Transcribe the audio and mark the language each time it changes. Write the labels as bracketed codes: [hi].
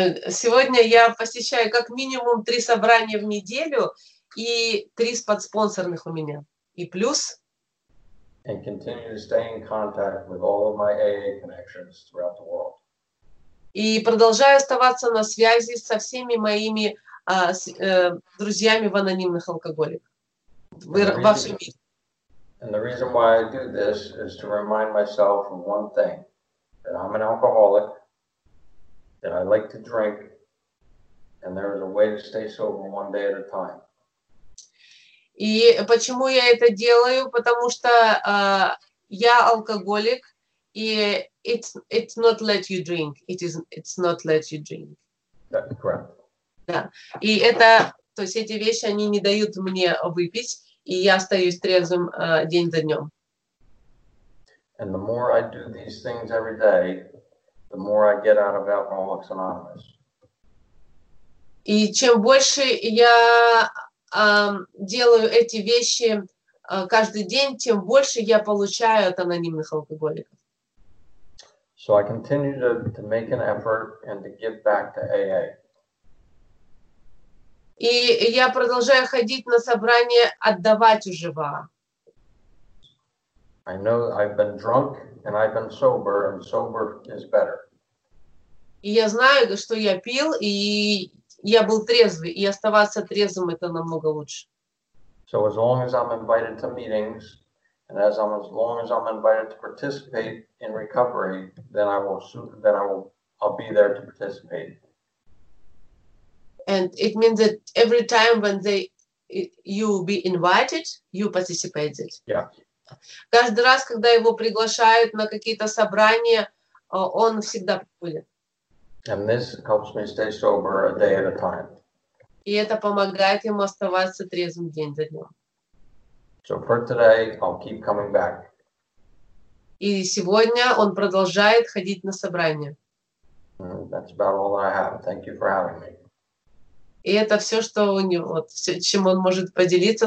[ru] Сегодня я посещаю как минимум 3 собрания в неделю, и 3 подспонсорных у меня, и плюс... [en] And continue to stay in contact with all of my AA connections throughout the world. [ru] И продолжаю оставаться на связи со всеми моими друзьями в анонимных алкоголиках во всем мире. [en] And the reason why I do this is to remind myself of one thing: that I'm an alcoholic, that I like to drink, and there is a way to stay sober one day at a time. [ru] И почему я это делаю? Потому что я алкоголик, и [en] it's not let you drink. It's not let you drink. That's correct. [ru] Да. И это, то есть эти вещи, они не дают мне выпить, и я остаюсь трезвым день за днем. [en] And the more I do these things every day, the more I get out of Alcoholics Anonymous. [ru] И чем больше я... делаю эти вещи каждый день, тем больше я получаю от анонимных алкоголиков. [en] So I continue to make an effort and to give back to AA. [ru] И я продолжаю ходить на собрания, отдавать уже в АА. [en] I know I've been drunk and I've been sober, and sober is better. [ru] И я знаю, что я пил, и я был трезвый, и оставаться трезвым это намного лучше. [en] So as long as I'm invited to meetings, and as long as I'm invited to participate in recovery, then I'll be there to participate. And it means that every time when you will be invited, you participate. Yeah. [ru] Каждый раз, когда его приглашают на какие-то собрания, он всегда приходит. [en] And this helps me stay sober a day at a time. [ru] И это помогает ему оставаться трезвым день за днем. [en] So for today, I'll keep coming back. [ru] И сегодня он продолжает ходить на собрания. [en] That's about all I have. Thank you for having me. [ru] И это все, что у него, вот, все, чем он может поделиться.